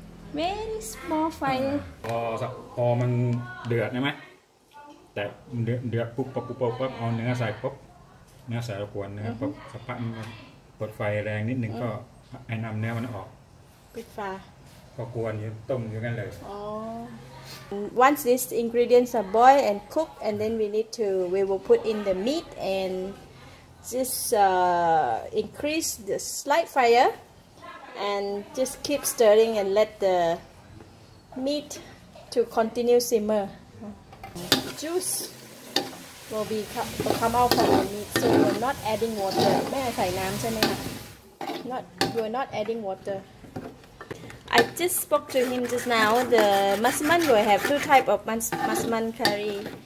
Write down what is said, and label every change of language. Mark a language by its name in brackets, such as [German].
[English] Very small fire [Thai] พอมันเดือดใช่ไหมแต่เดือดปุ๊บปุ๊บเอาเนื้อใส่ปุ๊บเนื้อใส่เราควรเนื้อปุ๊บสักพักมันเปิดไฟแรงนิดนึงก็ไอ้น้ำเนื้อมันออก ปิดไฟ ก็ควรอยู่ต้มอยู่กันเลย อ๋อ [English] once these ingredients are boiled and cooked and then we will put in the meat and just increase the slight fireAnd just keep stirring and let the meat to continue simmer. Juice will come out from the meat, so we're not adding water. [Thai] ไม่ใส่น้ำใช่ไหมคะ [English] We're not adding water. I just spoke to him just now. The masaman will have two type of masaman curry.